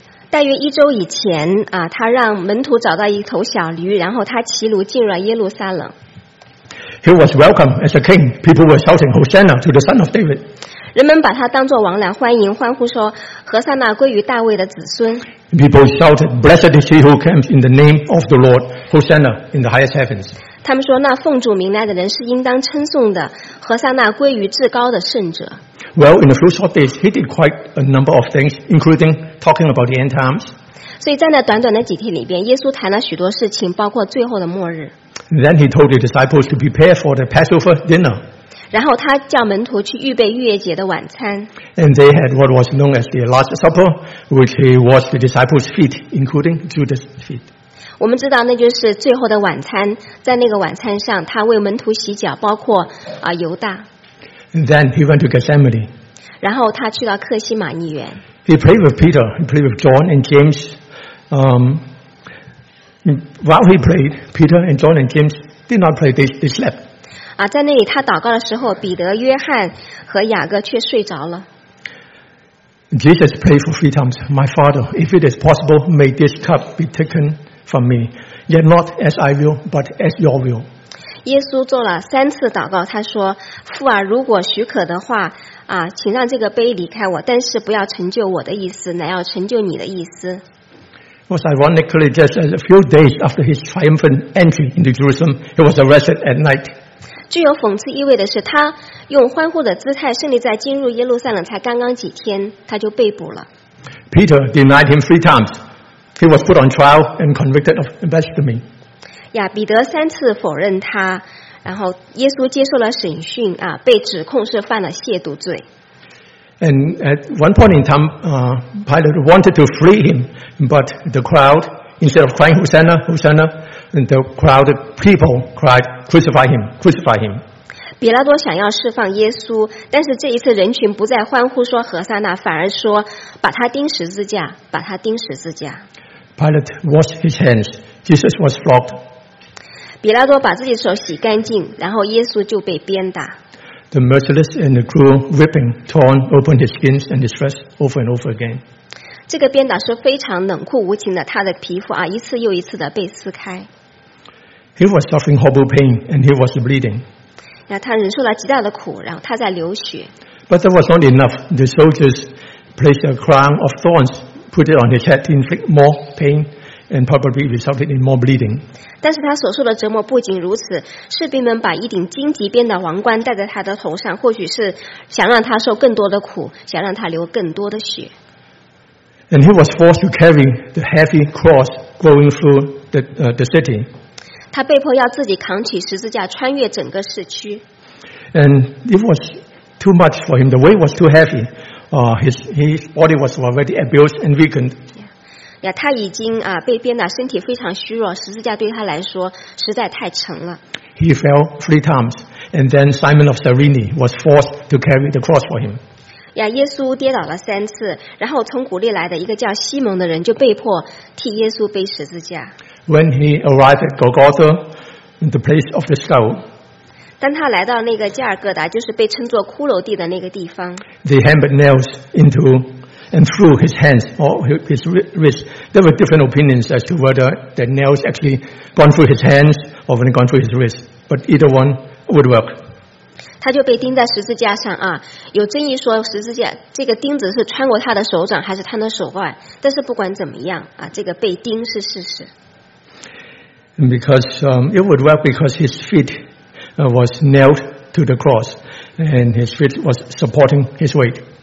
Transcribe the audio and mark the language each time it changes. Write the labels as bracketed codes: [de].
[zh] 大约一周以前啊，他让门徒找到一头小驴，然后他骑驴进入了耶路撒冷。 [en] He was welcome as a king. People were shouting Hosanna to the Son of David. [zh] 人们把他当作王来欢迎，欢呼说何塞纳归于大卫的子孙。 [en] People shouted, "Blessed is he who comes in the name of the Lord, Hosanna in the highest heavens." [zh] 他们说那奉主名来的人是应当称颂的，何塞纳归于至高的圣者。 [en] Well, in a few short days, he did quite a number of things, including talking about the end times. [zh] 所以在那短短的几天里边，耶稣谈了许多事情，包括最后的末日。 [en] Then he told the disciples to prepare for the Passover dinner. [zh] 然后他叫门徒去预备逾越节的晚餐。 [en] And they had what was known as the Last Supper, which he washed the disciples' feet, including Judas' feet. [zh] 我们知道那就是最后的晚餐，在那个晚餐上，他为门徒洗脚，包括犹大。 [en] And then he went to Gethsemane. [zh] 然后他去到克西马尼园。 [en] He prayed with Peter, he prayed with John and James, While he prayed, Peter and John and James did not pray, they slept. [zh] 在那里他祷告的时候，彼得、约翰和雅各却睡着了。 [en] Jesus prayed for three times, My Father, if it is possible, may this cup be taken from me, yet not as I will, but as your will. [zh] 耶稣做了三次祷告，他说，父啊，如果许可的话，请让这个杯离开我，但是不要成就我的意思，乃要成就你的意思。 [en] Was ironically just a few days after his triumphant entry into Jerusalem, he was arrested at night. [zh] 具有讽刺意味的是，他用欢呼的姿态胜利在进入耶路撒冷才刚刚几天，他就被捕了。 [en] Peter denied him three times. He was put on trial and convicted of blasphemy. [zh] 彼得三次否认他，然后耶稣接受了审讯啊，被指控是犯了亵渎罪。 [en] And at one point in time, Pilate wanted to free him, but the crowd, instead of crying Hosanna, Hosanna, the crowd of people cried, crucify him, crucify him. [zh] 比拉多想要释放耶稣，但是这一次人群不再欢呼说何塞纳，反而说把他钉十字架，把他钉十字架。 [en] Pilate washed his hands. Jesus was flogged. [zh] 比拉多把自己手洗干净，然后耶稣就被鞭打。 [en] The merciless and the cruel whipping torn open his skin and his flesh over and over again. [zh] 这个鞭打是非常冷酷无情的，他的皮肤一次又一次的被撕开。 [en] He was suffering horrible pain and he was bleeding. [zh] 他忍受了极大的苦，然后他在流血。 [en] But that was not enough. The soldiers placed a crown of thorns, put it on his head to inflict more pain. And probably resulted in more bleeding. [zh] 但是他所受的折磨不仅如此，士兵们把一顶荆棘编的王冠戴在他的头上，或许是想让他受更多的苦，想让他流更多的血。 [en] And he was forced to carry the heavy cross going through the city. [zh] 他被迫要自己扛起十字架穿越整个市区。 [en] And it was too much for him. The weight was too heavy. His body was already abused and weakened. [zh] Yeah, 他已经被鞭打，身体非常虚弱，十字架对他来说实在太沉了。 [en] He fell three times, and then Simon of Cyrene was forced to carry the cross for him. [zh] Yeah, 耶稣跌倒了三次，然后从古利来的一个叫西蒙的人就被迫替耶稣背十字架。 [en] When he arrived at Golgotha, the place of the skull, [zh] 当他来到那个加尔各答，就是被称作骷髅地的那个地方。 [en] They hammered nails into. And through his hands or his wrist, there were different opinions as to whether the nails actually gone through his hands or when gone through his wrist. But either one would work. [zh] 他就被钉在十字架上啊，有争议说十字架这个钉子是穿过他的手掌还是他的手腕。但是不管怎么样啊，这个被钉是事实。 [en] And because it would work because his feet was nailed to the cross, and his feet was supporting his weight.